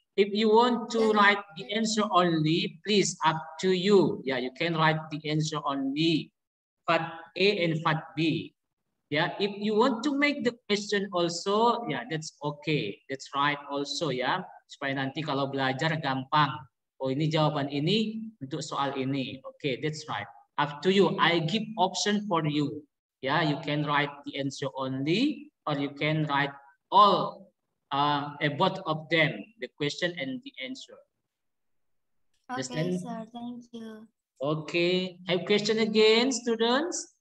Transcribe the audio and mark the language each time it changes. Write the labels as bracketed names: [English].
[English] If you want to write the answer only, please up to you. Yeah, you can write the answer only, part A and part B. Yeah, if you want to make the question also, yeah, that's okay. That's right also, yeah. [Indonesian] Supaya nanti kalau belajar gampang. Oh, ini jawaban ini untuk soal ini. [English] Okay, that's right. Up to you. I give option for you. Yeah, you can write the answer only, or you can write all both of them, the question and the answer. Okay, understand? Sir, thank you. Okay, have question again, students?